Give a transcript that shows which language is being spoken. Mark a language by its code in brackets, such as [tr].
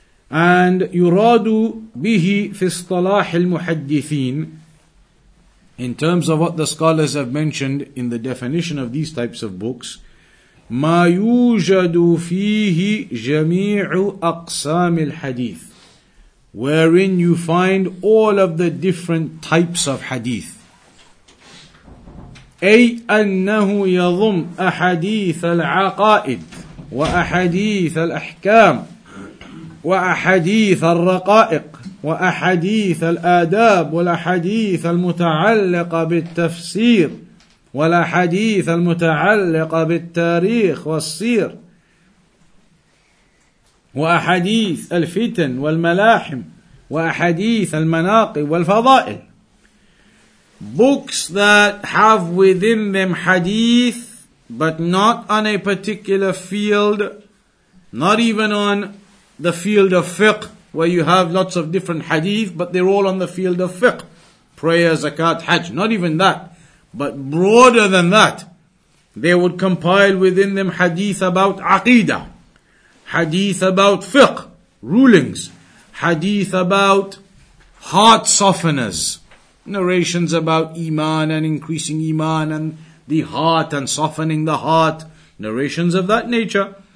[en] And [ar] yuradu bihi fi istilah al-muhaddithin, [en] in terms of what the scholars have mentioned in the definition of these types of books, [ar] ma yujadu fihi jami'u aqsam al-hadith, [en] wherein you find all of the different types of hadith. [ar] أي أنه يضم أحاديث العقائد وأحاديث الأحكام وأحاديث الرقائق وأحاديث الآداب والأحاديث المتعلقة بالتفسير والأحاديث المتعلقة بالتاريخ والسير وأحاديث الفتن والملاحم وأحاديث المناقب والفضائل. [en] Books that have within them hadith, but not on a particular field, not even on the field of fiqh, where you have lots of different hadith, but they're all on the field of fiqh. Prayer, zakat, hajj, not even that. But broader than that, they would compile within them hadith about aqidah, hadith about fiqh, rulings, hadith about heart softeners, narrations about iman and increasing iman and the heart and softening the heart, narrations of that nature,